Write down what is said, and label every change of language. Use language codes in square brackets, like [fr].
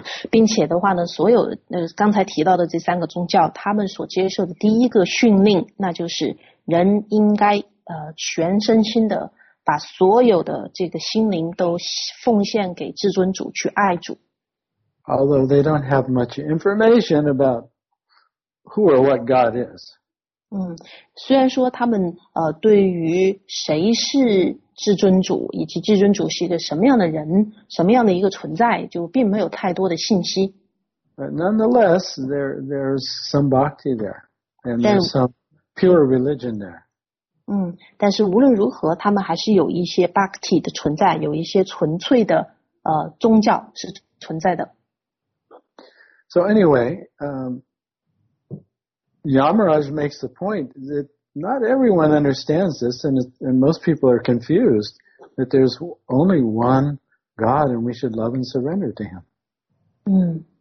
[zh] 并且的话呢，所有刚才提到的这三个宗教，他们所接受的第一个训令，那就是人应该全身心的把所有的这个心灵都奉献给至尊主，去爱主。 [en] Although they don't have much information about who or what God is. [zh] 虽然说他们对于谁是至尊主，以及至尊主是一个什么样的人，什么样的一个存在，就并没有太多的信息。 [en] But nonetheless, there's some bhakti there. And there's some pure religion there. [zh] 但是无论如何他们还是有一些 bhakti 的存在，有一些纯粹的宗教是存在的。 [en] So anyway, Yamaraj makes the point that not everyone understands this, and most people are confused, that there's only one God and we should love and surrender to him.